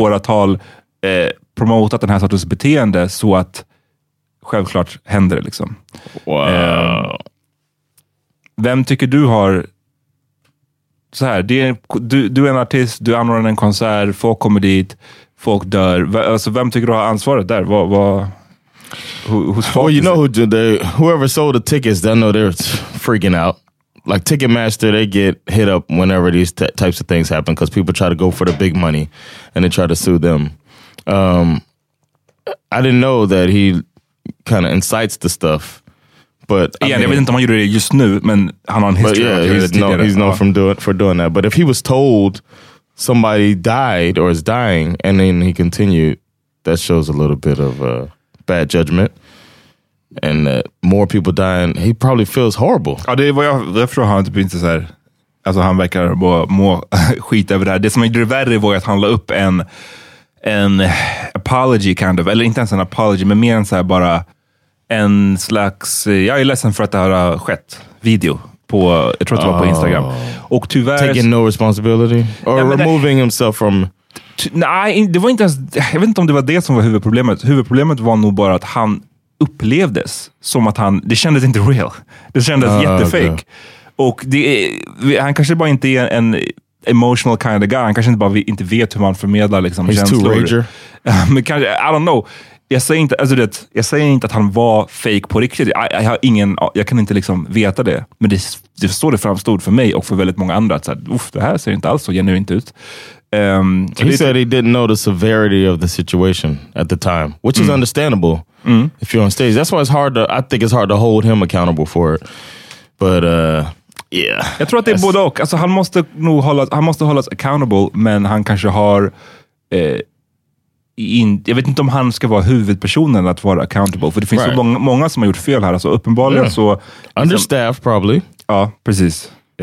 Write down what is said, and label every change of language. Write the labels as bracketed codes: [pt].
[sv] Åratal promotat den här sortens beteende, så att självklart händer det liksom. Wow. Vem tycker du har... Så här, du är en artist, du anordnar en konsert, folk kommer dit, folk dör. Alltså, vem tycker du har ansvaret där? [en] Well, you know whoever sold the tickets, they know they're freaking out. Like Ticketmaster, they get hit up whenever these types of things happen because people try to go for the big money and they try to sue them. I didn't know that he kind of incites the stuff. But [sv] yeah, jag vet inte om han gjorde det just nu, men han har en history. [en] Yeah, he's known for doing that. But if he was told somebody died or is dying and then he continued, that shows a little bit of a bad judgment. And that more people dying, he probably feels horrible. [sv] Ja, det är vad jag förstår, han typ inte så här. Alltså han verkar bara må skit över det här. Det som är det värre var att han la upp en [en] apology kind of, [sv] eller inte ens en apology, men mer än så här bara en slags, jag är ledsen för att det här har skett, video på, jag tror att det var på Instagram. Och tyvärr... [en] Taking no responsibility? Or removing himself from... [sv] Nej, det var inte ens, jag vet inte om det var det som var huvudproblemet. Huvudproblemet var nog bara att han upplevdes som att han, det kändes inte real. Det kändes jättefake. [en] Okay. [sv] Och det, han kanske bara inte är en [en] emotional kind of guy. [sv] Han kanske inte bara inte vet hur man förmedlar liksom, [en] he's [sv] känslor. [en] He's too rager. [sv] Men kanske, [en] I don't know. [sv] Jag säger inte att han var fake på riktigt. Jag kan inte liksom veta det. Men det står det framstod för mig och för väldigt många andra att så här, uff, det här ser inte alls så genuint ut. [en] He said he didn't know the severity of the situation at the time, which is understandable if you're on stage. That's why I think it's hard to hold him accountable for it. But [sv] jag tror att det är både och. Alltså, han måste hållas accountable, men han kanske har jag vet inte om han ska vara huvudpersonen att vara accountable, för det finns så många som har gjort fel här, alltså uppenbarligen så liksom, [en] understaff probably. [sv] Ja, precis.